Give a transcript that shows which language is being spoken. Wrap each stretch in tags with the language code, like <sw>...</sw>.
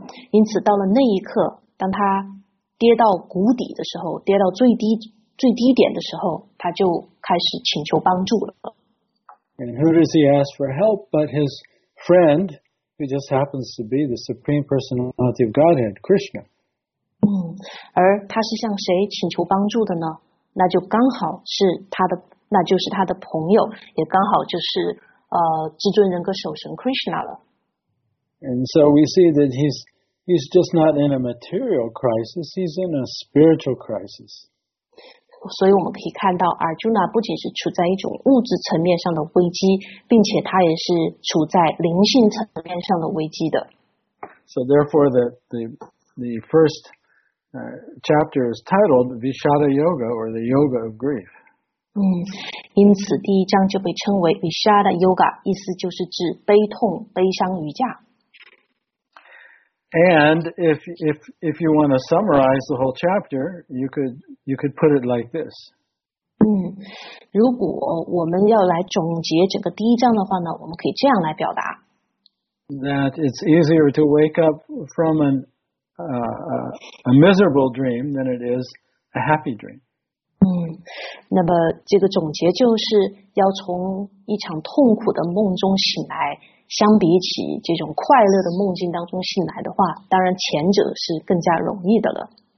<zh>因此到了那一刻，当他跌到谷底的时候，跌到最低点的时候，他就开始请求帮助了。</zh> <en>And who does he ask for help but his friend, who just happens to be the Supreme Personality of Godhead, Krishna.</en> <zh>而他是向谁请求帮助的呢？那就刚好是他的，那就是他的朋友，也刚好就是。至尊人格守神 Krishna 了。</zh> <en>And so we see that he's just not in a material crisis, he's in a spiritual crisis.</en> <zh>所以我们可以看到 Arjuna 不仅是处在一种物质层面上的危机并且他也是处在灵性层面上的危机的。</zh> <en>So therefore the first chapter is titled Vishada Yoga or the Yoga of Grief.</en> <zh>因此第一章就被称为 Vishada Yoga 意思就是指悲痛悲伤瑜伽</zh> <en>And if you want to summarize the whole chapter you could put it like this</en> <zh>如果我们要来总结整个第一章的话呢我们可以这样来表达</zh> <en>That it's easier to wake up from a miserable dream than it is a happy dream</en> <zh>那么这个总结就是要从一场痛苦的梦中醒来相比起这种快乐的梦境当中醒来的话当然前者是更加容易的了</zh>